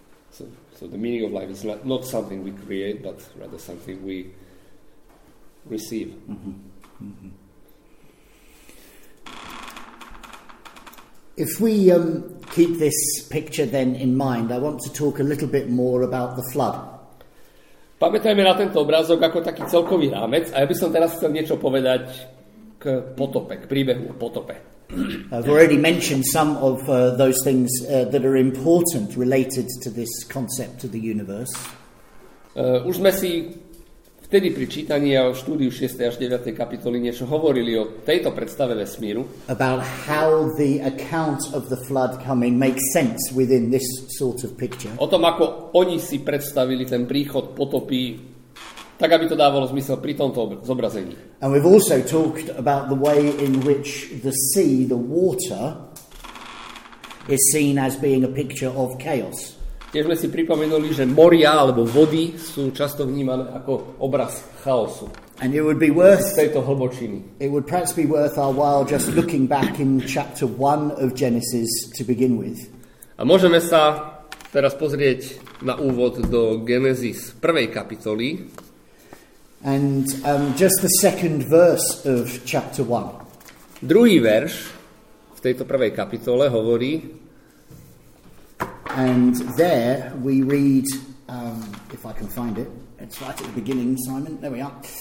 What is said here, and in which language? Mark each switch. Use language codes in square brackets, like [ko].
[en] So the meaning of life is not something we create, but rather something we receive. Mm-hmm. Mm-hmm. If we keep this picture then in mind, I want to talk a little bit more about the flood. [sk] Pamätajme na tento obrázok ako taký celkový rámec, a ja by som teraz chcel niečo povedať k potope, k príbehu o potope. [en] I've already mentioned some of those things that are important related to this concept of the universe. [sk] Už sme si vtedy pri čítaní a štúdiu 6. až 9. kapitoly niečo hovorili o tejto predstave vesmíru. [en] About how the account of the flood coming makes sense within this sort of picture. [sk] O tom, ako oni si predstavili ten príchod potopy, tak aby to dávalo zmysel pri tomto zobrazení. [en] And we've also talked about the way in which the sea, the water, is seen as being a picture of chaos. [sk] Tiež sme si pripomenuli, že moria alebo vody sú často vnímané ako obraz chaosu. [en] And it would be worth [sk] tejto hlbočiny. [en] It would perhaps be worth our while just looking back in chapter 1 of Genesis to begin with. [sk] A môžeme sa teraz pozrieť na úvod do Genesis 1. kapitoly. [en] And just the second verse of chapter 1. [sk] Druhý verš v tejto prvej kapitole hovorí. [en] And there we read, if I can find it, it's right at the beginning, Simon, there we are.